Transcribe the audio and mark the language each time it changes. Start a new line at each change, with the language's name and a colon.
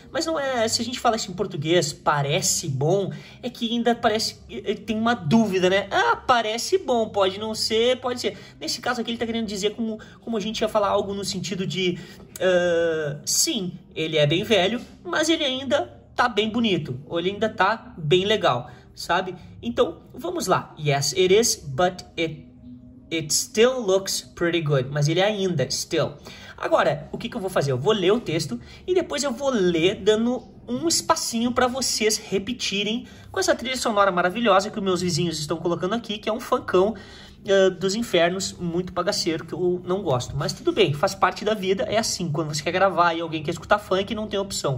Portuguese: Mas não é, se a gente fala isso em português, parece bom, é que ainda parece, tem uma dúvida, né? Ah, parece bom, pode não ser, pode ser. Nesse caso aqui, ele tá querendo dizer como a gente ia falar algo no sentido de, sim, ele é bem velho, mas ele ainda tá bem bonito, ou ele ainda tá bem legal, sabe? Então, vamos lá.
English: Yes, it is, but it still looks pretty good.
Portuguese: Mas ele ainda, still. Agora, o que, que eu vou fazer? Eu vou ler o texto e depois eu vou ler dando um espacinho para vocês repetirem com essa trilha sonora maravilhosa que os meus vizinhos estão colocando aqui, que é um funkão dos infernos, muito bagaceiro, que eu não gosto. Mas tudo bem, faz parte da vida, é assim. Quando você quer gravar e alguém quer escutar funk, não tem opção.